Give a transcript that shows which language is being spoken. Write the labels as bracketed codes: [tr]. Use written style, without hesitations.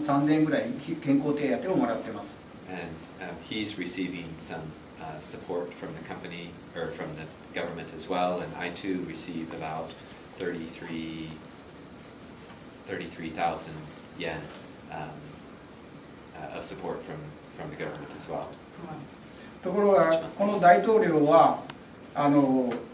[ja] で、日本から援助金を上げよう、私たち今もらってます。今3万3000円ぐらい健康手当をもらってます。And [en] he's receiving some support from the company or from the government as well, and I too receive about 33,000 yen of support from the government as well. [ja] ところがこの大統領は、あの